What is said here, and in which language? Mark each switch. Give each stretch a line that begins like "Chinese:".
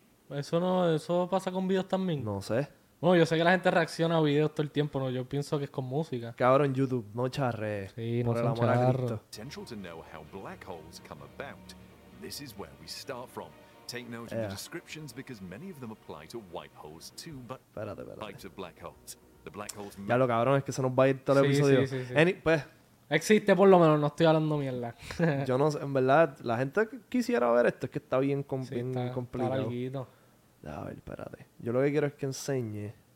Spanish: ¿Eso pasa con videos también? No sé. Bueno, yo sé que la gente reacciona a videos todo el tiempo, ¿no? Yo pienso que es con música. Cabrón, YouTube, no charre. Sí, no son charros.
English: Potential to know how black holes come about. This is where we start from. Take note of the descriptions because many of them apply to white holes too, but...
Spanish: Espérate.
English: Types of black holes.
Spanish: Ya lo cabrón, es que se nos va a ir todo el episodio. Sí. Pues, existe por lo menos, no estoy hablando mierda. Yo no sé, en verdad, la gente quisiera ver esto, es que está bien, bien complicado. Está larguito. A ver, espérate. Yo lo que quiero es que enseñe.